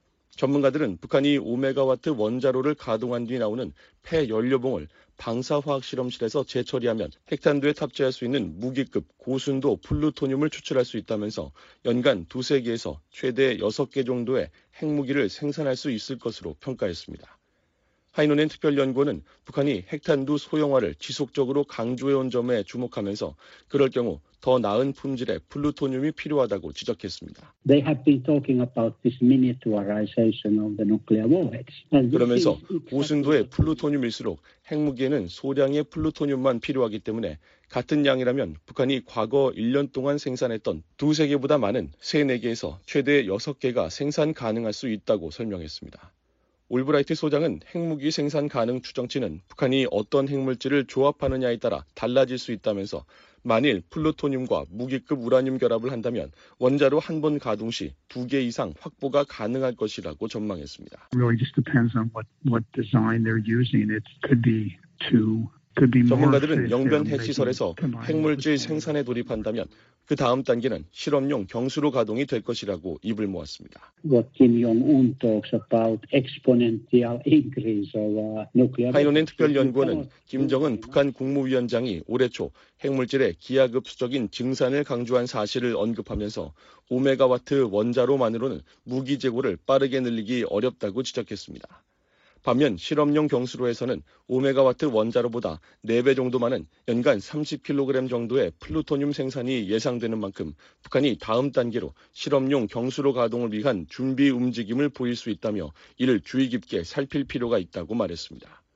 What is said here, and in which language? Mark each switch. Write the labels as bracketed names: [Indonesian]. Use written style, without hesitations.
[Korean] 전문가들은 북한이 5메가와트 원자로를 가동한 뒤 나오는 폐연료봉을 방사화학 실험실에서 재처리하면 핵탄두에 탑재할 수 있는 무기급 고순도 플루토늄을 추출할 수 있다면서 연간 두세 개에서 최대 여섯 개 정도의 핵무기를 생산할 수 있을 것으로 평가했습니다. 하이노넨 특별연구원은 북한이 핵탄두 소형화를 지속적으로 강조해온 점에 주목하면서 그럴 경우 더 나은 품질의 플루토늄이 필요하다고 지적했습니다. [English] They have been talking about this miniaturization of the nuclear warheads. [Korean] 그러면서 고순도의 플루토늄일수록 핵무기에는 소량의 플루토늄만 필요하기 때문에 같은 양이라면 북한이 과거 1년 동안 생산했던 두세 개보다 많은 세네 개에서 최대 여섯 개가 생산 가능할 수 있다고 설명했습니다. 올브라이트 소장은 핵무기 생산 가능 추정치는 북한이 어떤 핵물질을 조합하느냐에 따라 달라질 수 있다면서 만일 플루토늄과 무기급 우라늄 결합을 한다면 원자로 한 번 가동 시 두 개 이상 확보가 가능할 것이라고 전망했습니다. [English] Really just depends on what design they're using. It could be two. [Korean] 전문가들은 영변 핵시설에서 핵물질 생산에 돌입한다면 그 다음 단계는 실험용 경수로 가동이 될 것이라고 입을 모았습니다. [English] What Kim Jong-un talks about exponential increase of nuclear. [Korean] 하이노넨 특별연구원은 김정은 북한 국무위원장이 올해 초 핵물질의 기하급수적인 증산을 강조한 사실을 언급하면서 5메가와트 원자로만으로는 무기 재고를 빠르게 늘리기 어렵다고 지적했습니다. 반면 실험용 경수로에서는 5메가와트 원자로보다 4배 정도 많은 연간 30kg 정도의 플루토늄 생산이 예상되는 만큼 북한이 다음 단계로 실험용 경수로 가동을 위한 준비 움직임을 보일 수 있다며 이를 주의 깊게 살필 필요가 있다고 말했습니다.